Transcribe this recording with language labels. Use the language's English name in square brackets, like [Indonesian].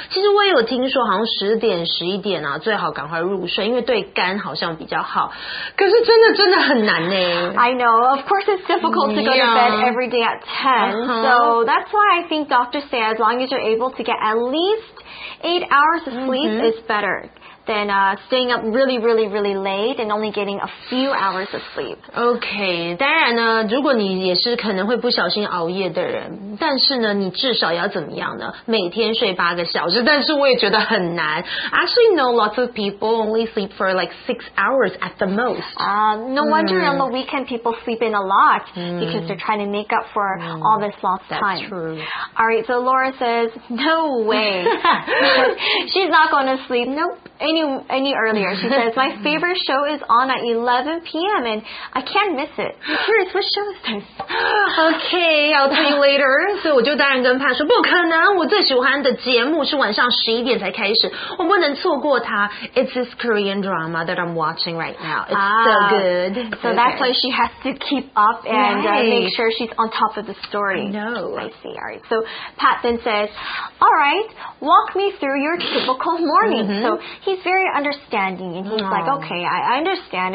[Chinese] 其实我也有听说，好像十点、十一点啊，最好赶快入睡，因为对肝好像比较好。可是真的真的很难呢。 [English] I know, of course it's difficult to go to bed every day at 10. So that's why I think doctors say as long as you're able to get at least 8 hours of sleep is better. Than staying up really, really, really late and only getting a few hours of sleep. [Chinese] Okay, 当然呢，如果你也是可能会不小心熬夜的人，但是呢，你至少要怎么样呢？每天睡八个小时，但是我也觉得很难。 [English] Actually, know lots of people only sleep for like 6 hours at the most. No wonder on the weekend people sleep in a lot because they're trying to make up for all this lost time. That's true. All right, so Laura says, no way. She's not going to sleep. Nope. Any earlier. She says, my favorite show is on at 11 p.m. and I can't miss it. I'm curious, what show is this? Okay, I'll tell you later. [Chinese] 所以我就当然跟 Pat 说，不可能，我最喜欢的节目是晚上11点才开始，我不能错过它。 [English] It's this Korean drama that I'm watching right now. It's so good. So that's why she has to keep up and make sure she's on top of the story. I know. I see, all right. So Pat then says, all right, walk me through your typical morning. He's very understanding, and he's like, okay, I understand.